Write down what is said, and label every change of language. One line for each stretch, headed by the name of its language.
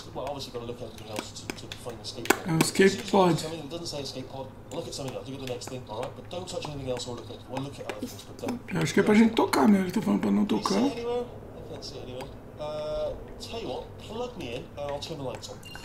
English: Well, obviously, got to look at everything else to find the escape pod. An escape pod. Something that doesn't say escape pod. Look at something else. Look at the next thing, all right? But don't touch anything else or look at it. Well, look at other things, but don't.
Portuguese: Eu acho que é pra gente tocar, né? Ele tá falando pra não tocar.
English: I can't see it anywhere. Tell you what, plug me in and I'll turn the lights on.